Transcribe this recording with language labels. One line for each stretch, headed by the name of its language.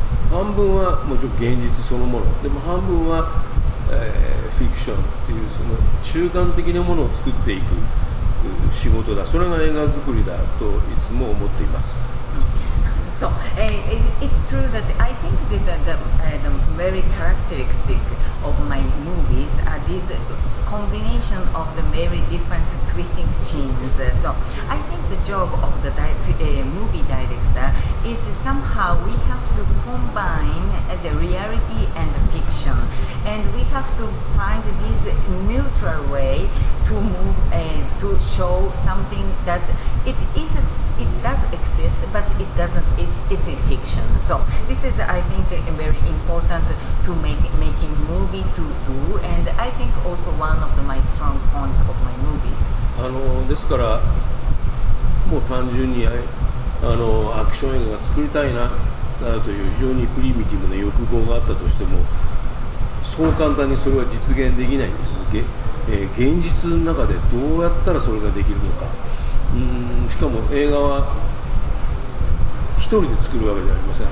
Japanese: 半分はもちろん現実そのものでも、半分は、フィクションっていうその中間的なものを作っていく仕事だ。それが映画作りだといつも思っています。
English: So, it's true that I think that the very characteristic of my movies are these combination of the very different twisting scenes. So I think the job of the movie director is somehow we have to combine the reality and the fiction, and we have to find this neutral way to move to show something that it is. It does exist, but it doesn't. It's a fiction. So this is, I think, very important to making movie to do, and I think also one of my strong point of my movies.
Japanese: ですから、もう単純にアクション映画が作りたいなという非常にプリミティブな欲望があったとしても、そう簡単にそれは実現できないんです。現実の中でどうやったらそれができるのか。しかも映画は一人で作るわけではありません。